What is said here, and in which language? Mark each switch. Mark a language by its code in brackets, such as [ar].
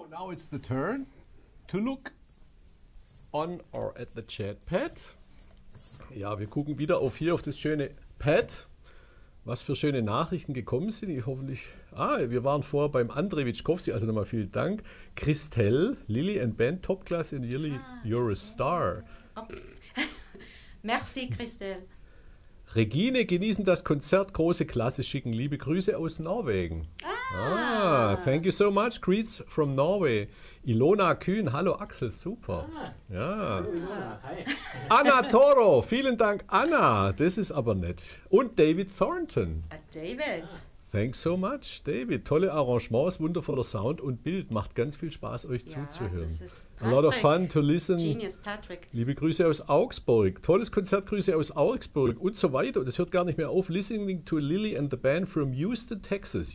[en] it's the turn to look on or at the chat pad. [de] Ja, wir gucken wieder auf hier auf das schöne Pad, was für schöne Nachrichten gekommen sind. Ich hoffentlich. Ah, wir waren vorher beim Andrei Witschkowski, also nochmal vielen Dank. [en] Christelle, Lily and Ben, top class and Lily, you're a star. [fr] Merci, Christelle. [de] Regine, genießen das Konzert, große Klasse, schicken liebe Grüße aus Norwegen. [en] Thank you so much, greets from Norway. Ilona Kühn, hallo Axel, super. Hi. [de] Anna Toro, vielen Dank Anna, das ist aber nett. Und David Thornton. David. [en] Thanks so much, David. [de] Tolle Arrangements, wundervoller Sound und Bild, macht ganz viel Spaß euch zuzuhören. [en] A lot of fun to listen. Genius Patrick. [de] Liebe Grüße aus Augsburg. Tolles Konzert, Grüße aus Augsburg und so weiter. Das hört gar nicht mehr auf. [en] Listening to Lily and the band from Houston, Texas.